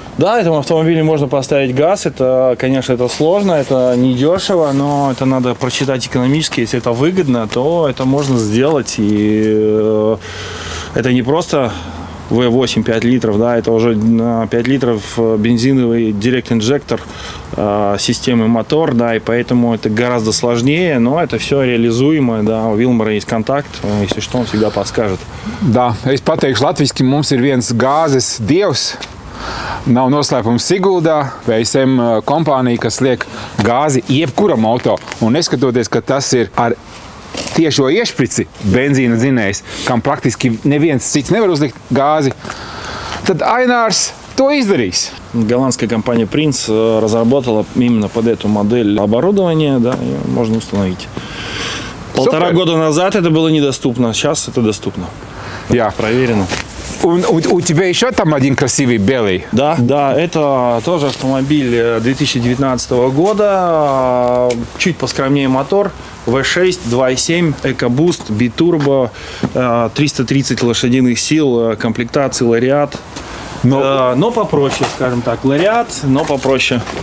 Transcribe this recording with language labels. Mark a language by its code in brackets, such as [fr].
[ru] Да, этому автомобилю можно поставить газ, это, конечно, это сложно, это недешево, но это надо прочитать экономически, если это выгодно, то это можно сделать, и это не просто V8 5 литров, да, это уже 5 литров бензиновый директ-инжектор системы мотор, да, и поэтому это гораздо сложнее, но это все реализуемо, да, у Вилмара есть контакт, если что, он всегда подскажет. Да, если потеешь латвийским, [lv] мумс ir viens gāzes dievs. Nav noslēpums Siguldā, VSM kompānija, kas liek gāzi jebkuram auto. Un neskatoties, ka tas ir ar tiešo iešprici benzīna dzinējs, kam praktiski neviens cits nevar uzlikt gāzi, tad Ainārs to izdarīs. [ru] Голландская компания Prince разработала именно под эту модель оборудование, да, можно установить. Полтора Super. Года назад это было недоступно, сейчас это доступно. Я проверено. У тебя еще там один красивый белый? Да, это тоже автомобиль 2019 года, чуть поскромнее мотор, V6, 2.7, EcoBoost, Biturbo, 330 лошадиных сил, комплектации Лариат, но попроще, скажем так, Лариат, но попроще.